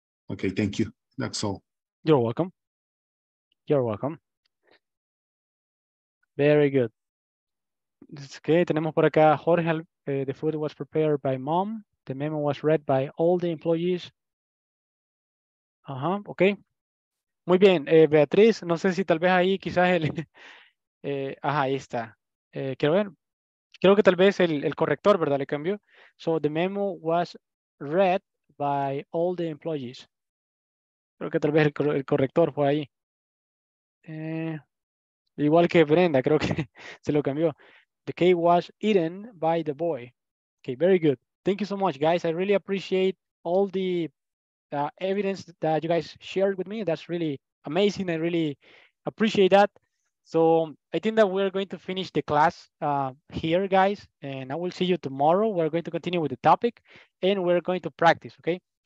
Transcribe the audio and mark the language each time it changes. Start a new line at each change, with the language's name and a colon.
English: Okay, thank you. That's all. You're welcome. You're welcome. Very good. Okay,
Spanish: tenemos por acá
English: Jorge. The food was prepared by mom. The memo was read by all the employees. Uh-huh, okay.
Spanish: Muy bien, Beatriz, no sé si tal vez ahí quizás el... ahí está. Quiero ver. Creo que tal vez el corrector, ¿verdad? Le cambió.
English: So the memo was read by all the employees.
Spanish: Creo que tal vez el corrector fue ahí. Igual que Brenda, creo que se lo cambió.
English: The cake was eaten by the boy. Okay, very good. Thank you so much, guys. I really appreciate all the evidence that you guys shared with me. That's really amazing. I really appreciate that. So I think that we're going to finish the class here, guys. And I will see you tomorrow. We're going to continue with the topic and we're going to practice, okay?